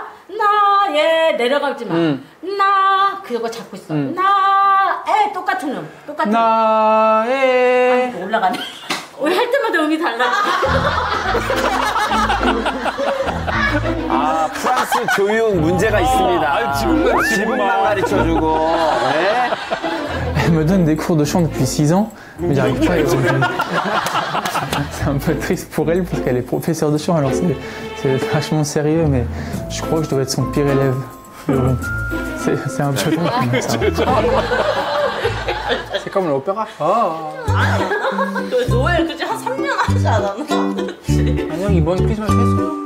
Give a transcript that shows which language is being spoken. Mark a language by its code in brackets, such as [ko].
[ko] 나의, 내려가지 마. 나, 그거 잡고 있어. 나의, 똑같은 음. 똑같은 나의. 아, 올라가네. 우리 할 때마다 음이 달라. 아, 프랑스 교육 문제가 있습니다. 아, 지붕만 지붕만 쳐주고. 네. [fr] Elle me donne des cours de chant depuis 6 ans, mais j'arrive pas à les entendre. C'est un peu triste pour elle parce qu'elle est professeure de chant, alors c'est vachement sérieux, mais je crois que je dois être son pire élève. Mais bon, c'est un peu long. C'est comme l'opéra. Oh. [ko] Noël, [fr] tu as [ko] 3년 하지 않았나? 아니요, 이번 크리스마스 했어요.